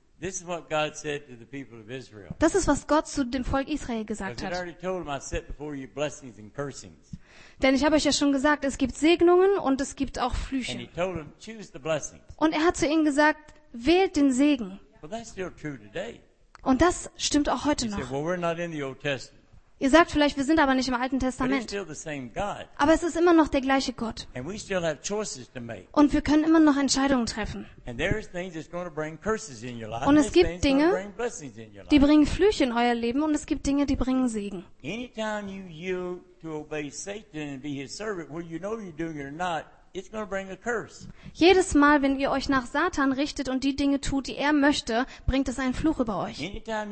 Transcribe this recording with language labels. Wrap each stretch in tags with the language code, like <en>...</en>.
<en>this is what God said to the people of Israel.</en> <de>Das ist, was Gott zu dem Volk Israel gesagt hat.</de> <en>I already told them I set before you blessings and cursings.</en> <de>Denn ich habe euch ja schon gesagt, es gibt Segnungen und es gibt auch Flüche.</de> <en>And he told them, choose the blessings.</en> <de>Und er hat zu ihnen gesagt, wählt den Segen.</de> <en>Well, that's still true today.</en> <de>Und das stimmt auch heute noch.</de> <en>He said, well, we're not in the Old Testament.</en> <de>Ihr sagt vielleicht, wir sind aber nicht im Alten Testament.</de> <en>But it's still the same God.</en> <de>Aber es ist immer noch der gleiche Gott.</de> <en>And we still have choices to make.</en> <de>Und wir können immer noch Entscheidungen treffen.</de> <en>And there's things that's going to bring curses in your life.</en> <de>Und es gibt Dinge,</de> <en>bring blessings in your life.</en> <de>Die bringen Flüche in euer Leben, und es gibt Dinge, die bringen Segen.</de> <en>Anytime you yield to obey Satan and be his servant, whether you know you're doing it or not, it's going to bring a curse.</en> <de>Jedes Mal, wenn ihr euch nach Satan richtet und die Dinge tut, die er möchte, bringt es einen Fluch über euch.</de>